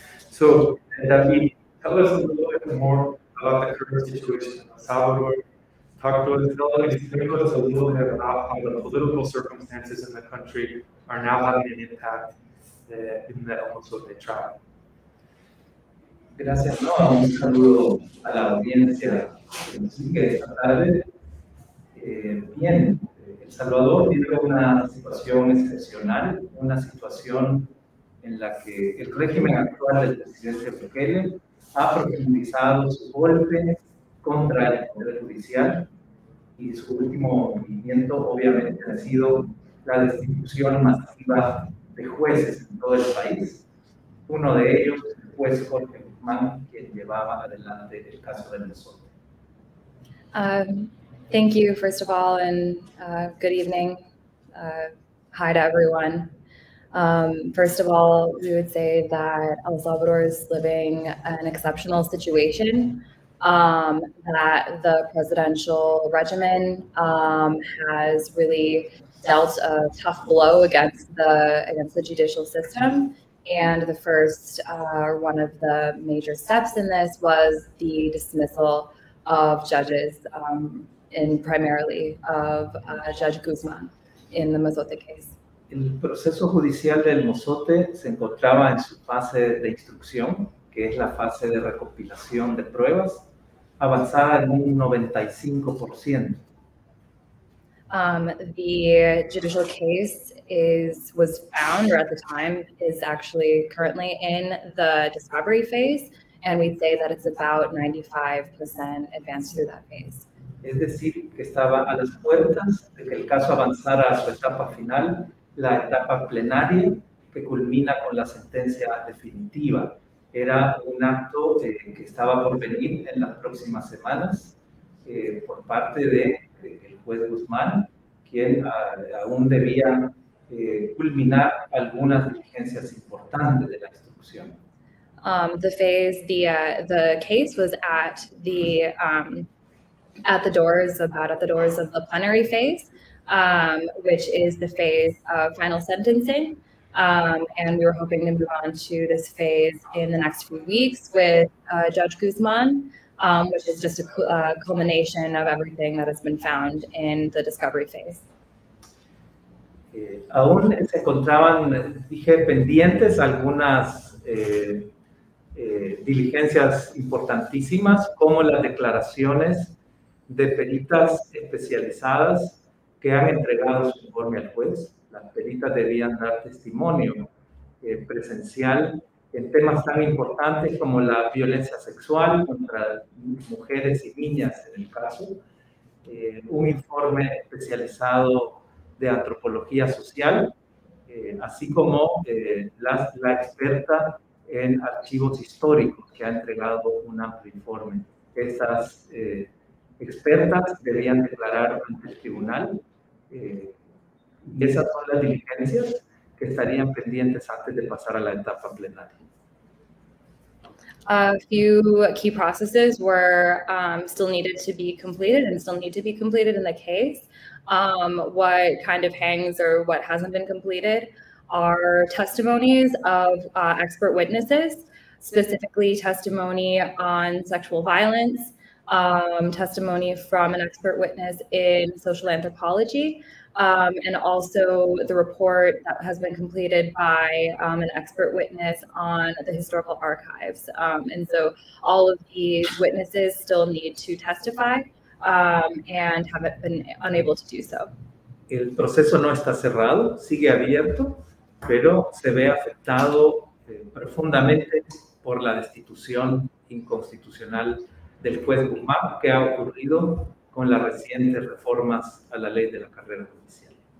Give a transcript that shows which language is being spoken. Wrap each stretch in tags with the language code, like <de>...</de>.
<en>So, David, tell us a little bit more about the current situation in El Salvador. Tell us a little bit about how the political circumstances in the country are now having an impact in the El Mozote trial.</en> <es>Gracias, no, un saludo a la audiencia que nos sigue esta tarde. Bien, El Salvador vive una situación excepcional, una situación en la que el régimen actual del presidente Bukele ha profundizado su golpe contra el poder judicial y su último movimiento obviamente ha sido la destitución masiva de jueces en todo el país. Uno de ellos, el juez Jorge Guzmán, quien llevaba adelante el caso de Mozote.</es> <en>Thank you, first of all, and good evening. Hi to everyone. First of all, we would say that El Salvador is living an exceptional situation, that the presidential regimen has really dealt a tough blow against the judicial system. And the first one of the major steps in this was the dismissal of judges, and primarily of Judge Guzmán in the Mozote case.</en> <es>El proceso judicial del Mozote se encontraba en su fase de instrucción, que es la fase de recopilación de pruebas, avanzada en un 95%.</es> <en>The judicial case was found, or at the time, is actually currently in the discovery phase, and we'd say that it's about 95% advanced through that phase.</en> <es>Es decir, que estaba a las puertas de que el caso avanzara a su etapa final, la etapa plenaria, que culmina con la sentencia definitiva. Era un acto que estaba por venir en las próximas semanas por parte del juez Guzmán, quien aún debía culminar algunas diligencias importantes de la instrucción.</es> <en>The case was at the doors of the plenary phase, which is the phase of final sentencing. And we were hoping to move on to this phase in the next few weeks with Judge Guzman, which is just a culmination of everything that has been found in the discovery phase.</en> <es>Aún se encontraban, dije, pendientes algunas diligencias importantísimas, como las declaraciones de peritas especializadas que han entregado su informe al juez. Las peritas debían dar testimonio presencial en temas tan importantes como la violencia sexual contra mujeres y niñas en el caso, un informe especializado de antropología social, así como la experta en archivos históricos que ha entregado un amplio informe. Esas expertas debían declarar ante el tribunal y esas son las diligencias que estarían pendientes antes de pasar a la etapa plenaria.</es> <en>A few key processes were still needed to be completed and still need to be completed in the case. What kind of hangs or what hasn't been completed are testimonies of expert witnesses, specifically testimony on sexual violence, testimony from an expert witness in social anthropology, and also the report that has been completed by an expert witness on the historical archives. And so all of these witnesses still need to testify and have been unable to do so.</en> <es>El proceso no está cerrado, sigue abierto, pero se ve afectado profundamente por la destitución inconstitucional del juez Guzmán que ha ocurrido con las recientes reformas a la ley de la carrera judicial.</es>